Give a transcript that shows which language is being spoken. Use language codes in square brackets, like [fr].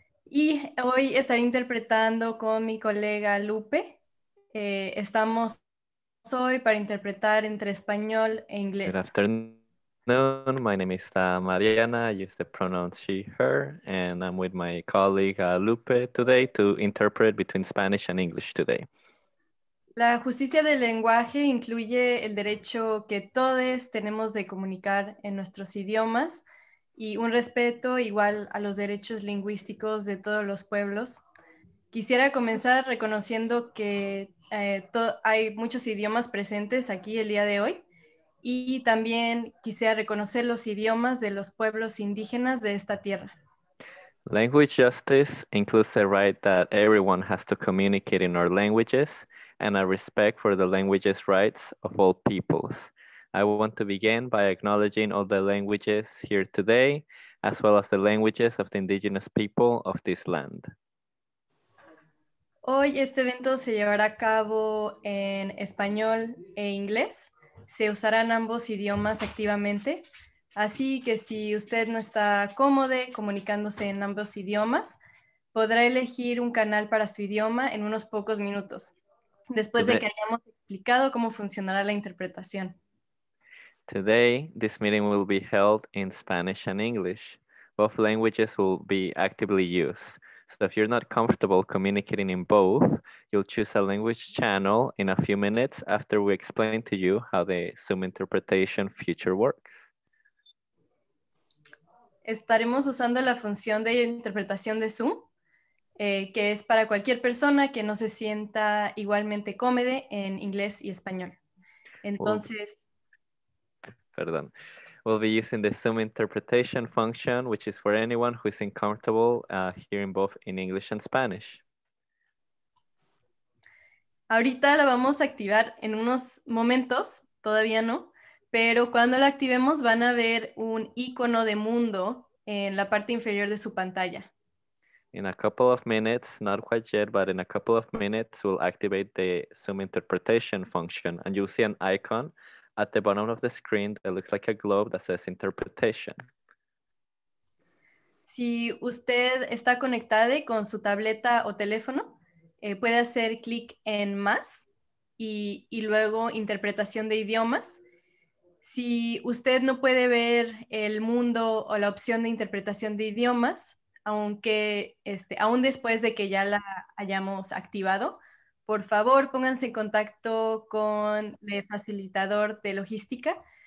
[es] Y hoy estaré interpretando con mi colega Lupe. Estamos hoy para interpretar entre español e inglés. [en] Good afternoon. My name is Mariana. I use the pronouns she, her. And I'm with my colleague Lupe today to interpret between Spanish and English today. [es] La justicia del lenguaje incluye el derecho que todos tenemos de comunicar en nuestros idiomas y un respeto igual a los derechos lingüísticos de todos los pueblos. Quisiera comenzar reconociendo que hay muchos idiomas presentes aquí el día de hoy y también quisiera reconocer los idiomas de los pueblos indígenas de esta tierra. [en] Language justice includes the right that everyone has to communicate in our languages and a respect for the languages' rights of all peoples. I want to begin by acknowledging all the languages here today, as well as the languages of the indigenous people of this land. [es] Hoy este evento se llevará a cabo en español e inglés. Se usarán ambos idiomas activamente. Así que si usted no está cómodo comunicándose en ambos idiomas, podrá elegir un canal para su idioma en unos pocos minutos. Después de que hayamos explicado cómo funcionará la interpretación. [en] Today, this meeting will be held in Spanish and English. Both languages will be actively used. So if you're not comfortable communicating in both, you'll choose a language channel in a few minutes after we explain to you how the Zoom interpretation feature works. [es] Estaremos usando la función de interpretación de Zoom. Que es para cualquier persona que no se sienta igualmente cómoda en inglés y español. Entonces. [en] We'll be using the Zoom interpretation function, which is for anyone who is uncomfortable hearing both in English and Spanish. [es] Ahorita la vamos a activar en unos momentos, todavía no, pero cuando la activemos van a ver un icono de mundo en la parte inferior de su pantalla. [en] In a couple of minutes, not quite yet, but in a couple of minutes, we'll activate the Zoom interpretation function and you'll see an icon at the bottom of the screen that looks like a globe that says interpretation. [es] Si usted está conectado con su tableta o teléfono, puede hacer clic en más y luego interpretación de idiomas. Si usted no puede ver el mundo o la opción de interpretación de idiomas, aunque aún después de que ya la hayamos activado, por favor pónganse en contacto con el facilitador de logística.